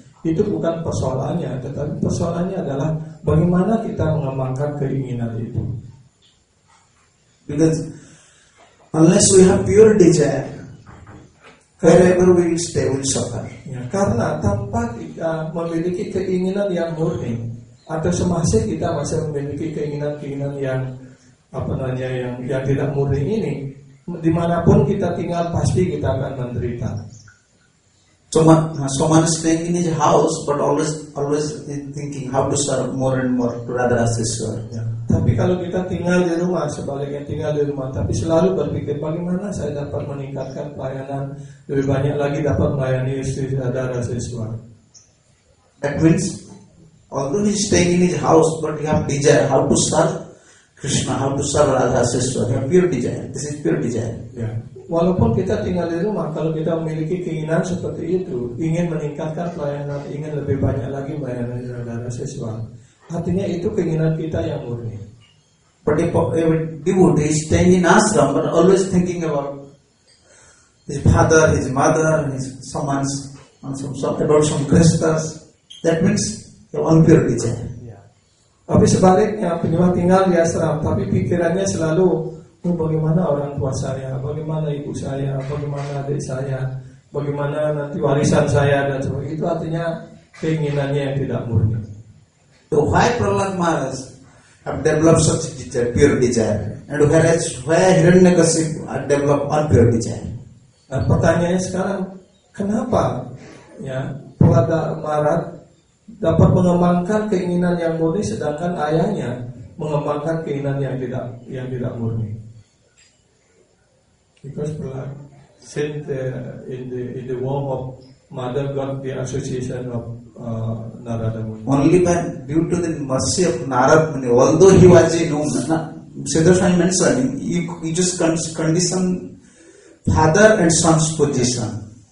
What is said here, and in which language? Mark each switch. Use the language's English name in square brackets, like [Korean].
[Indonesian] Itu bukan persoalannya, tetapi persoalannya adalah bagaimana kita mengembangkan keinginan itu. [English] Because unless we have pure desire, wherever we will stay, we will suffer. [Indonesian] Ya, karena tanpa kita memiliki keinginan yang murni, atau semasih kita masih memiliki keinginan-keinginan yang apa namanya yang tidak murni ini, dimanapun kita tinggal pasti kita akan menderita. [English] Someone is staying in his house, but always thinking how to serve more and more to Radha Rasa. [Indonesian] Tapi kalau kita tinggal di rumah, sebaliknya tinggal di rumah, tapi selalu berpikir bagaimana saya dapat meningkatkan pelayanan, lebih banyak lagi dapat melayani istri Radha Rasa. [English] That means, although he is staying in his house, but he have desire how to serve Krishna, how to serve Radha Rasa. He have pure desire. This is pure desire. [Indonesian] Yeah. Walaupun kita tinggal di rumah, kalau kita memiliki keinginan seperti itu, ingin meningkatkan pelayanan, ingin lebih banyak lagi pelayanan Radha Rasa, artinya itu keinginan kita yang murni. [English] But if a devotee is staying in ashram, but always thinking about his father, his mother, his someone's, and some Krishna's, that means you are impure desire. [Indonesian] Tapi sebaliknya, penyembah tinggal di ashram, tapi pikirannya selalu, oh, bagaimana orang tua saya, bagaimana ibu saya, bagaimana adik saya, bagaimana nanti warisan saya, dan sebagainya. Itu artinya keinginannya yang tidak murni. [English] So why Pallava Maharaj have developed such desire, pure desire, and whereas why Hiranyakasipu have developed impure desire? [Indonesian] Nah, pertanyaannya sekarang, kenapa ya pelada amarat dapat mengembangkan keinginan yang murni sedangkan ayahnya mengembangkan keinginan yang tidak murni? [English] Because pelada since in the womb of mother got the association of Narada Muni. Only by due to the mercy of Narada Muni, although he was a nomad, Siddha Swami mentioned, he just conditioned father and son's position.